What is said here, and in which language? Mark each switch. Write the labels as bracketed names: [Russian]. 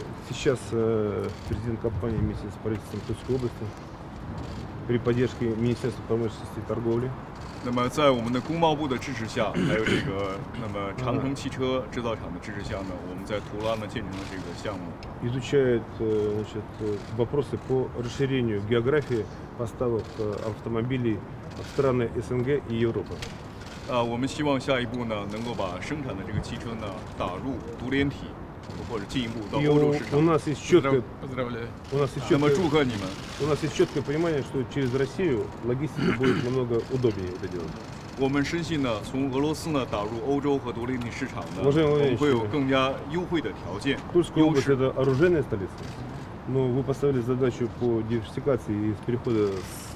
[Russian] Сейчас президент компании вместе с правительством Тульской области при поддержке Министерства промышленности и торговли. [Chinese] 那么在我们的工贸部的支持下，还有这个那么长城汽车制造厂的支持下呢，我们在图拉呢建成了这个项目。 [Russian] Изучает, значит, вопросы по расширению географии поставок автомобилей в страны СНГ и Европы. [Chinese] 我们希望下一步呢，能够把生产的这个汽车呢打入独联体。 [Russian] У нас есть четкое понимание, что через Россию логистика будет намного удобнее это делать. [Chinese] 我们深信呢，从俄罗斯呢打入欧洲和独立体市场呢，我们会有更加优惠的条件。 [Russian] Тульская область это оружейная столица, но вы поставили задачу по диверсификации и перехода с